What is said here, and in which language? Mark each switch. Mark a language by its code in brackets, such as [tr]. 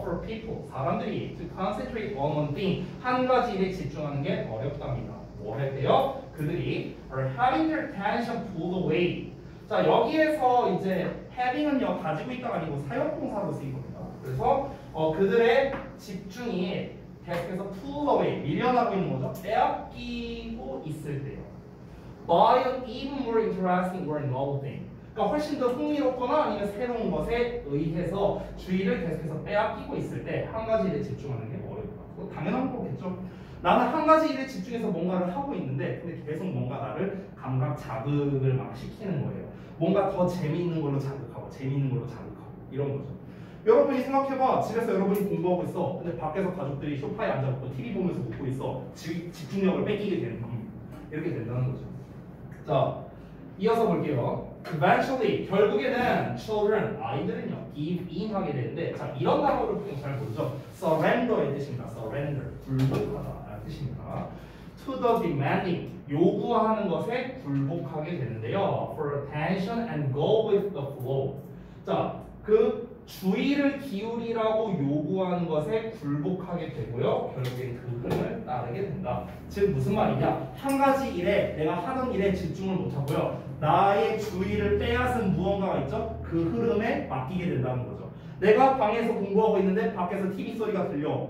[en] For people, [ko] 사람들이 [en] to concentrate on one thing, [ko] 한 가지 일에 집중하는 게 어렵답니다. 뭐랬대요? 그들이 [en] are having their attention pulled away. [ko] 자, 여기에서 이제 having은요 가지고 있다가 아니고 사역동사로 쓰인 겁니다. 그래서 그들의 집중이 계속해서 [en] pull away, [ko] 밀려나고 있는 거죠. 빼앗기고 있을 때요. [en] By an even more interesting or novel thing. [ko] 그러니까 훨씬 더 흥미롭거나 아니면 새로운 것에 의해서 주의를 계속해서 빼앗기고 있을 때 한 가지 일에 집중하는 게 어렵다. 당연한 거겠죠. 나는 한 가지 일에 집중해서 뭔가를 하고 있는데 근데 계속 뭔가 나를 감각 자극을 막 시키는 거예요. 뭔가 더 재미있는 걸로 자극하고 재미있는 걸로 자극하고 이런 거죠. 여러분이 생각해봐. 집에서 여러분이 공부하고 있어. 근데 밖에서 가족들이 소파에 앉아갖고 TV 보면서 웃고 있어. 집중력을 뺏기게 되는 겁니다. 이렇게 된다는 거죠. 자, 이어서 볼게요. Eventually, 결국에는 children, 아이들은요, [en] give in [ko] 하게 되는데, 자, 이런 단어를 보통 잘 모르죠. Surrender의 뜻입니다. Surrender, 굴복하다 라는 뜻입니다. [en] to the demanding, [ko] 요구하는 것에 굴복하게 되는데요. [en] For attention and go with the flow. [ko] 자, 그 주의를 기울이라고 요구하는 것에 굴복하게 되고요. 결국엔 그 흐름을 따르게 된다. 즉 무슨 말이냐? 한 가지 일에, 내가 하는 일에 집중을 못하고요. 나의 주의를 빼앗은 무언가가 있죠? 그 흐름에 맡기게 된다는 거죠. 내가 방에서 공부하고 있는데 밖에서 TV 소리가 들려.